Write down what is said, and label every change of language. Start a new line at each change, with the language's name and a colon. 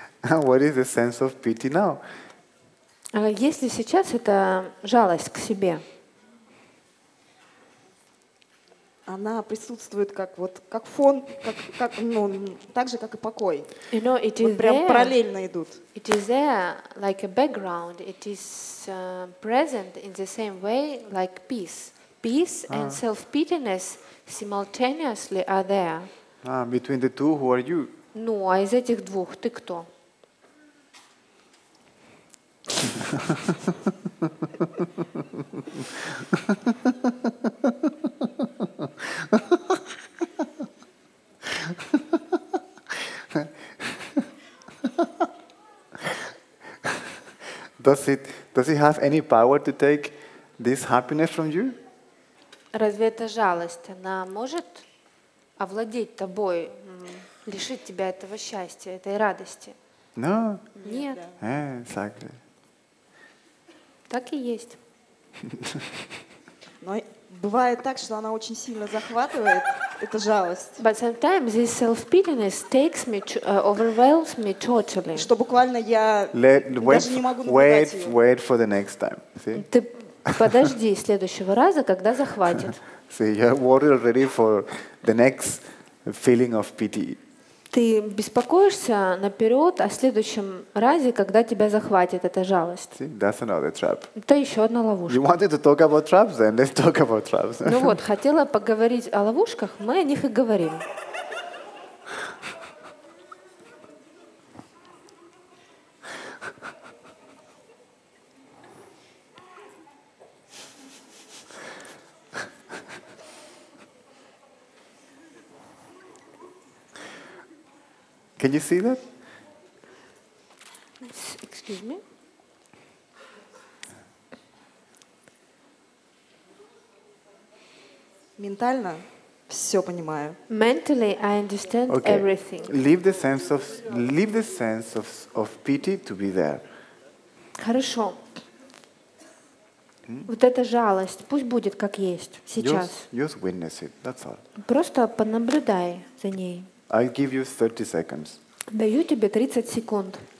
English: What is the sense of pity now?
Russian: Если сейчас это жалость к себе, она присутствует как вот как фон, как ну так же как и покой.
English: You know, it is
Russian: вот прям
English: there,
Russian: параллельно идут.
English: It is there like a background. It is present in the same way like peace. Peace and self-pityness simultaneously are there. Between the two, who are you?
Russian: Ну, а из этих двух ты кто?
English: Does it have any power to take this happiness from you?
Russian: Разве эта жалость, она может овладеть тобой, лишить тебя этого счастья, этой радости?
English: No.
Russian: Нет.
English: Exactly.
Russian: Так и есть. Но бывает так, что она очень сильно захватывает эту жалость.
English: But sometimes this self-pityness takes me, overwhelms me totally.
Russian: Что буквально я даже не могу наблюдать ее.
English: Wait for the next time. See?
Russian: Подожди следующего раза, когда захватит.
English: See, you're worried already for the next feeling of pity.
Russian: Ты беспокоишься наперед о следующем разе, когда тебя захватит эта жалость.
English: See, that's another trap.
Russian: Это еще одна ловушка.
English: You wanted to talk about traps, then let's talk about traps.
Russian: Ну вот, хотела поговорить о ловушках, мы о них и говорим.
English: Can you see that? Excuse me.
Russian: Ментально все понимаю.
English: Mentally I understand everything. Leave the sense of pity to be there.
Russian: Хорошо. Вот эта жалость, пусть будет как есть сейчас.
English: Just witness it. That's all.
Russian: Просто понаблюдай за ней.
English: I'll give you 30 seconds.
Russian: Даю тебе 30 секунд.